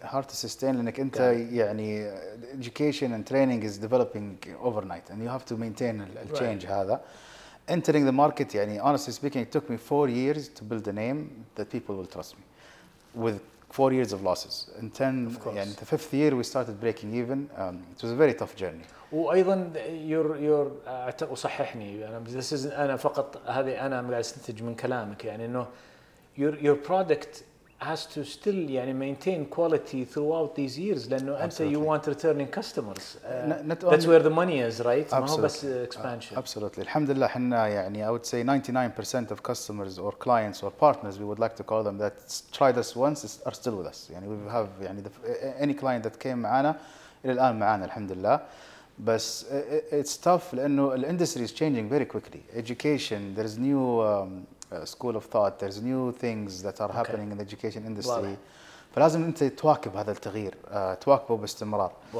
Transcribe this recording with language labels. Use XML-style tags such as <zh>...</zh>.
<en>Hard to sustain</en> <ar>لأنك أنت يعني</ar> <en>education and training is developing overnight and you have to maintain the change</en> <ar>هذا.</ar> <en>Entering the market, يعني honestly speaking, it took me 4 years to build a name that people will trust me. With 4 years of losses, and then in the fifth year we started breaking even. It was a very tough journey.</en> <ar>وأيضا</ar> <en>your</en> <ar>وصححني أنا</ar> <en>this is</en> <ar>أنا فقط هذه أنا مقاعد استنتج من كلامك يعني إنه</ar> <en>your product has to still يعني maintain quality throughout these years</en> <ar>لأنه أنت</ar> <en>you want returning customers. That's where the money is, right?</en> <ar>ما هو بس</ar> <en>expansion. Absolutely.</en> <ar>الحمد لله حنا يعني</ar> <en>I would say 99% of customers or clients or partners we would like to call them that tried us once are still with us.</en> <ar>يعني</ar> <en>we have</en> <ar>يعني</ar> <en>any client that came</en> <ar>معنا إلى الآن معنا الحمد لله.</ar> <en>بس it's tough</en> <ar>لأنه</ar> <en>the industry is changing very quickly. Education, there's new school of thought, there's new things that are happening in the education industry.</en> <ar>فلازم أنت تواكب هذا التغيير, تواكبه باستمرار.</ar>